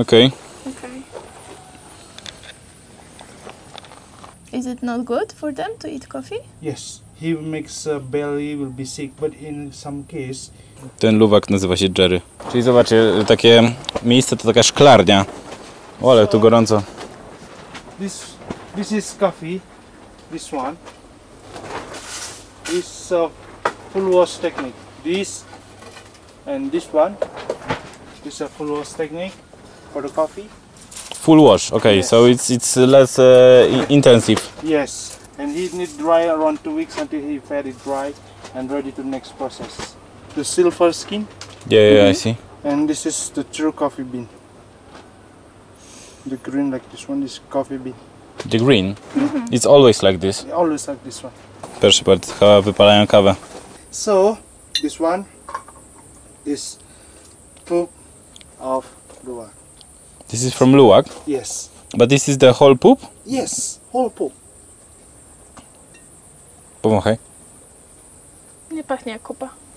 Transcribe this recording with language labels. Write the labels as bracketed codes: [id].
[en] Okay. Okay. Is it not good for them to eat coffee? Yes. He makes belly will be sick, but in some case... [pl] Ten luwak nazywa się Jerry. Czyli zobaczcie, takie miejsce to taka szklarnia. O, ale so, tu gorąco. [en] This is coffee. This one. This is full wash technique. This and this one. This is a full wash technique. For the coffee. Full wash, okay, yes. So it's less intensive. Yes, and he need dry around 2 weeks until he very dry and ready to next process. The silver skin. Yeah, mm-hmm. I see. And this is the true coffee bean. The green like this one is coffee bean. The green? Mm-hmm. It's always like this. Always like this one. [pl] Proszę bardzo, wypalają kawę. [en] So, this one is poop of luwak. This is from luwak? Yes. But this is the whole poop? Yes, whole poop. [pl] Powąchaj. Nie pachnie jak kupa.